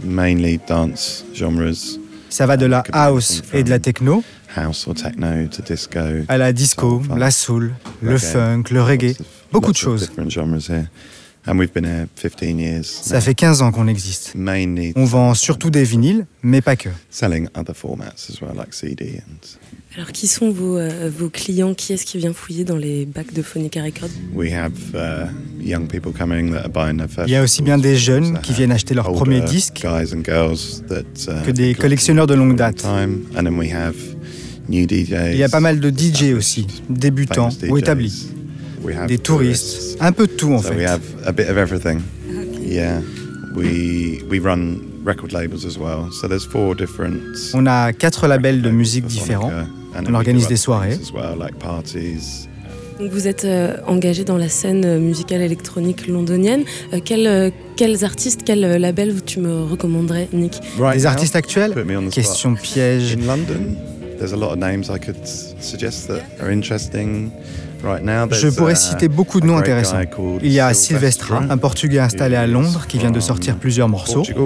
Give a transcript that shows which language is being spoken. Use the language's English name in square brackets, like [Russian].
[English] Mainly dance genres. [French] Ça va de la house et de la techno, [English] house or techno to disco, [French] à la disco, la soul, le funk, le reggae, beaucoup de choses. [English] And we've been here 15 years. [French] Ça fait 15 ans qu'on existe. [English] Mainly, [French] on vend surtout des vinyles, mais pas que. [English] Selling other formats as well, like CD and... [French] Alors, qui sont vos clients? Qui est-ce qui vient fouiller dans les bacs de Phonica Records? [English] We have young people coming that are buying their first. [French] Il y a aussi bien des jeunes qui viennent acheter leurs premiers disques. [English] Guys and girls that, [French] que des collectionneurs de longue date. [English] Time. And then we have new DJs. [French] Il y a pas mal de DJ aussi, débutants ou établis. [English] We have [French] des tourists, un peu de tout en fait. [English] We have a bit of everything. Okay. Yeah, we run record labels as well. So there's four different. [French] On a quatre labels de musique différents. On organise des soirées. [English] As well, like parties. [French] Donc vous êtes engagé dans la scène musicale électronique londonienne. Quels artistes, quels labels tu me recommanderais, Nick? Right. Les artistes actuels? Question piège. [English] In London, there's a lot of names I could suggest that are interesting. [French] Je pourrais citer beaucoup de noms intéressants. Il y a Silvestre, un Portugais installé à Londres qui vient de sortir plusieurs morceaux.